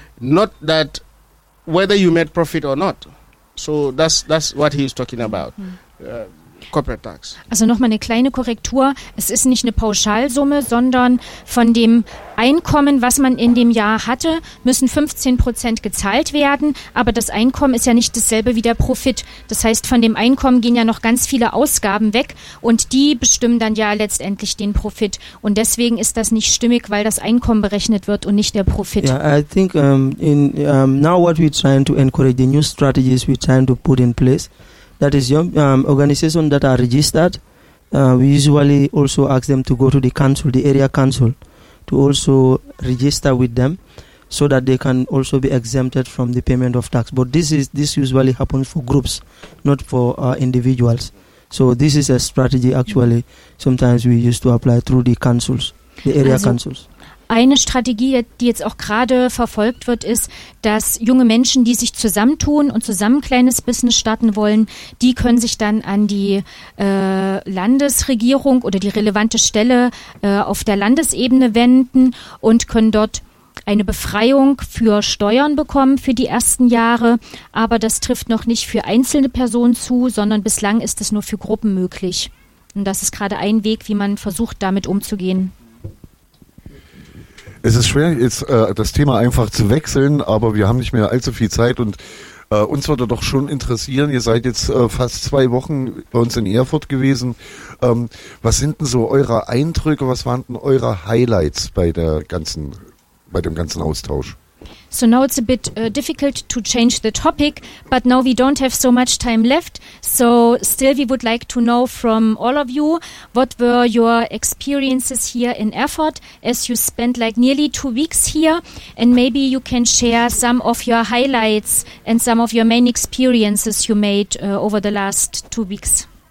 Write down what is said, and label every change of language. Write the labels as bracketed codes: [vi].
[en] Not that whether you made profit or not. So that's what he's talking about, corporate tax. [de] Also nochmal eine kleine Korrektur. Es ist nicht eine Pauschalsumme, sondern von dem Einkommen, was man in dem Jahr hatte, müssen 15% gezahlt werden. Aber das Einkommen ist ja nicht dasselbe wie der Profit. Das heißt, von dem Einkommen gehen ja noch ganz viele Ausgaben weg und die bestimmen dann ja letztendlich den Profit. Und deswegen ist das nicht stimmig, weil das Einkommen berechnet wird und nicht der Profit. [en] Yeah, I think now what we're trying to encourage, the new strategies we're trying to put in place, that is young organizations that are registered, we usually also ask them to go to the council, the area council, to also register with them so that they can also be exempted from the payment of tax. But this usually happens for groups, not for individuals. So this is a strategy actually sometimes we used to apply through the councils, the area councils. [de] Eine Strategie, die jetzt auch gerade verfolgt wird, ist, dass junge Menschen, die sich zusammentun und zusammen ein kleines Business starten wollen, die können sich dann an die Landesregierung oder die relevante Stelle auf der Landesebene wenden und können dort eine Befreiung für Steuern bekommen für die ersten Jahre, aber das trifft noch nicht für einzelne Personen zu, sondern bislang ist es nur für Gruppen möglich. Und das ist gerade ein Weg, wie man versucht, damit umzugehen. Es ist schwer, jetzt das Thema einfach zu wechseln, aber wir haben nicht mehr allzu viel Zeit und uns würde doch schon interessieren, ihr seid jetzt fast 2 Wochen bei uns in Erfurt gewesen. Was sind denn so eure Eindrücke, was waren denn eure Highlights bei dem ganzen Austausch? [en] So now it's a bit difficult to change the topic, but now we don't have so much time left. So still we would like to know from all of you, what were your experiences here in Erfurt as you spent like nearly 2 weeks here, and maybe you can share some of your highlights and some of your main experiences you made over the last 2 weeks.